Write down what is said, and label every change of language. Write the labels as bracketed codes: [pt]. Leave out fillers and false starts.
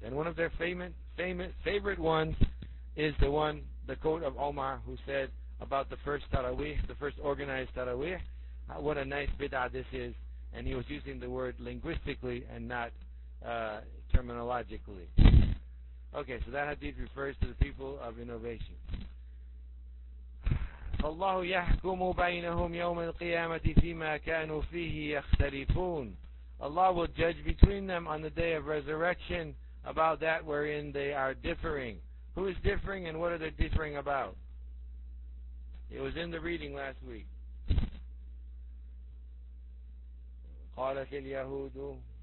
[en] And one of their favorite ones is the quote of Omar, who said about the first Taraweeh, the first organized Taraweeh, what a nice bid'ah this is. And he was using the word linguistically and not terminologically. Okay, so that hadith refers to the people of innovation. [ar] فالله يحكم بينهم يوم القيامة فيما كانوا فيه يختلفون. [en] Allah will judge between them on the day of resurrection about that wherein they are differing. Who is differing and what are they differing about? It was in the reading last week. [ar] قالت اليهود.